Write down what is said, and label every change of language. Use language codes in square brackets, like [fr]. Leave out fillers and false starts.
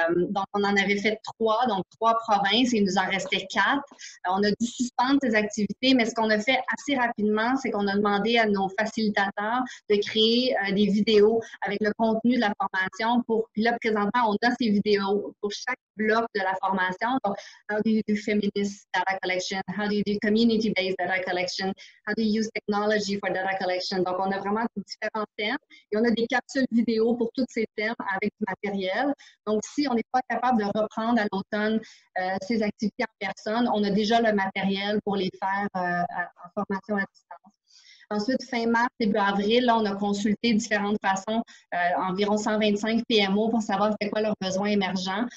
[fr] Donc, on en avait fait 3, donc 3 provinces, et il nous en restait 4. On a dû suspendre ces activités, mais ce qu'on a fait assez rapidement, c'est qu'on a demandé à nos facilitateurs de créer des vidéos avec le contenu de la formation pour, puis là, présentement, on a ces vidéos pour chaque bloc de la formation. [en] Donc, how do you do feminist data collection? How do you do community-based data collection? How do you use technology for data collection? [fr] Donc, on a vraiment différents thèmes et on a des capsules vidéo pour tous ces thèmes avec du matériel. Donc, si on n'est pas capable de reprendre à l'automne ces activités en personne, on a déjà le matériel pour les faire en formation à distance. Ensuite, fin mars, début avril, là, on a consulté de différentes façons environ 125 PMO pour savoir c'était quoi leurs besoins émergents.